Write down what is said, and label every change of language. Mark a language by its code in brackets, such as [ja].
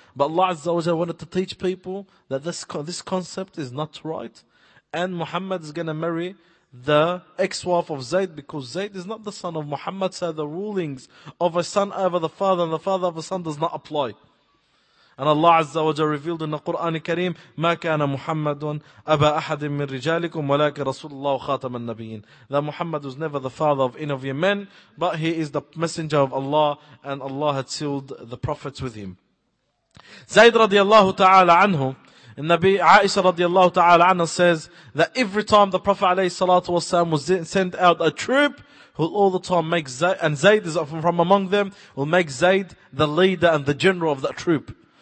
[en] But Allah Azza wa Jalla wanted to teach people that this concept is not right. And Muhammad is going to marry the ex-wife of Zayd, because Zayd is not the son of Muhammad. So the rulings of a son over the father and the father of a son does not apply. And Allah Azza wa Jalla revealed in the Quran Kareem, [ar] مَا كَانَ مُحَمَّدٌ أَبَا أَحَدٍ مِّن رِجَالِكُمْ وَلَكِ رَسُولُ اللَّهُ خَاتَمَ النَّبِيِّينَ. [en] That Muhammad was never the father of any of your men, but he is the messenger of Allah, and Allah had sealed the prophets with him. Zayd radiallahu ta'ala anhu, and Nabi Aisha radiallahu ta'ala anhu says that every time the Prophet alayhi salatu wasalam was sent out a troop, who'll all the time make Zayd, and Zayd is from among them, will make Zayd the leader and the general of that troop.